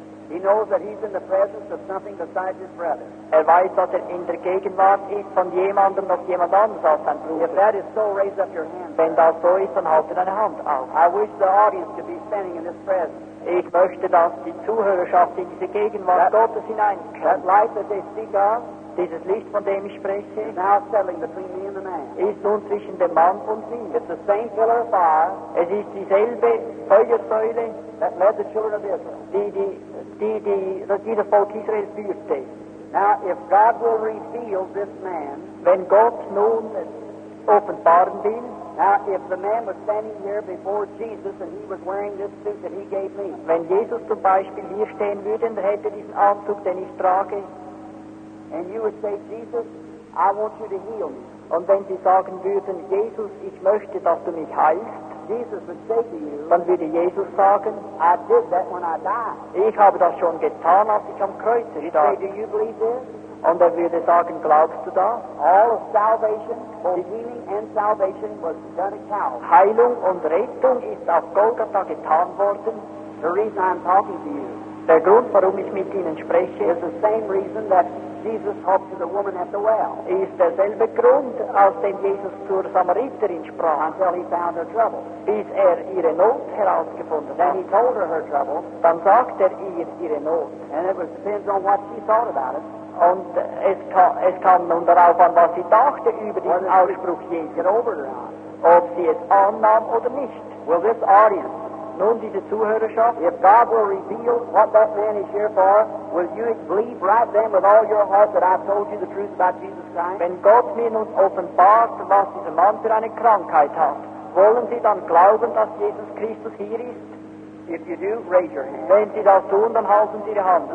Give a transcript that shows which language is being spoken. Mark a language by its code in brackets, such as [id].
[en] He knows that he's in the presence of something besides his brother. [de] Er weiß, dass er in der Gegenwart ist von jemandem, das jemand anderes als sein Bruder. [en] If that is so, raise up your hand. [de] Wenn das so ist, dann halte deine Hand auf. [en] I wish the audience could be standing in this presence. [de] Ich möchte, dass die Zuhörerschaft in diese Gegenwart Gottes hineinkommt. [en] That light that they speak of, [de] dieses Licht, von dem ich spreche, [en] is now settling between me and the man. [de] Ist nun zwischen dem Mann und mir. [en] It's the same pillar of fire. [de] Es ist dieselbe Feuersäule, [en] that led the children of Israel. [de] Die das Volk Israel führte. [en] Now, if God will reveal this man, [de] wenn Gott nun offenbaren will, [en] now, if the man was standing here before Jesus and he was wearing this suit that he gave me, [de] wenn Jesus zum Beispiel hier stehen würde und hätte diesen Anzug, den ich trage, [en] and you would say, Jesus, I want you to heal me. [de] Und wenn Sie sagen würden, Jesus, ich möchte, dass du mich heilst, [en] Jesus would say to you, [de] dann würde Jesus sagen, [en] I did that when I died. [de] Ich habe das schon getan, als ich am Kreuz starb. [en] He'd say, do you believe this? [de] Und würde sagen, glaubst du das? [en] All of salvation, both healing and salvation, was done at Calvary. [de] Heilung und Rettung ist auf Golgatha getan worden. [en] The reason I'm talking to you, [de] der Grund, warum ich mit Ihnen spreche, [en] is the same reason that Jesus talked to the woman at the well. [de] Ist derselbe Grund, aus dem Jesus zur Samariterin sprach. [en] Until he found her trouble. [de] Bis ihre Not herausgefunden [en] hat. Then he told her trouble. [de] Dann sagt ihr ihre Not. [en] And it was, depends on what she thought about it. [de] Und es kam nun darauf an, was sie dachte über diesen Ausspruch Jesu. Ob sie es annahm oder nicht. [en] Will this audience, [de] nun diese Zuhörerschaft, [en] if God will reveal what that man is here for, will you believe right then with all your heart that I've told you the truth about Jesus Christ? [de] Wenn Gott mir nun offenbart, was dieser Mann für eine Krankheit hat, wollen Sie dann glauben, dass Jesus Christus hier ist? [en] If you do, raise your hand. [de] Wenn Sie das tun, dann halten Sie Ihre Hand auf.